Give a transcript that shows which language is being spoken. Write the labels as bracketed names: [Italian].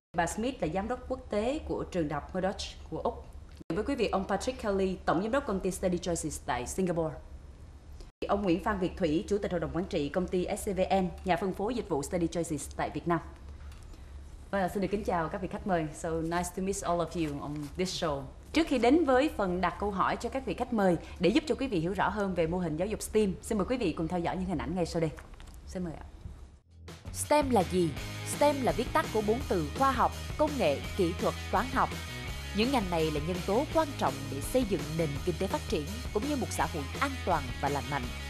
[Vietnamese] Bà Smith là giám đốc quốc tế của trường đại học Murdoch của Úc. Với quý vị, ông Patrick Kelly, tổng giám đốc công ty StudyChoices tại Singapore. Ông Nguyễn Phan Việt Thủy, chủ tịch hội đồng quản trị công ty SCVN, nhà phân phối dịch vụ StudyChoices tại Việt Nam. Và xin được kính chào các vị khách mời. [English] So nice to meet all of you on this show. [Vietnamese] Trước khi đến với phần đặt câu hỏi cho các vị khách mời để giúp cho quý vị hiểu rõ hơn về mô hình giáo dục STEM, xin mời quý vị cùng theo dõi những hình ảnh ngay sau đây. Xin mời ạ. STEM là gì? STEM là viết tắt của bốn từ khoa học, công nghệ, kỹ thuật, toán học. Những ngành này là nhân tố quan trọng để xây dựng nền kinh tế phát triển cũng như một xã hội an toàn và lành mạnh.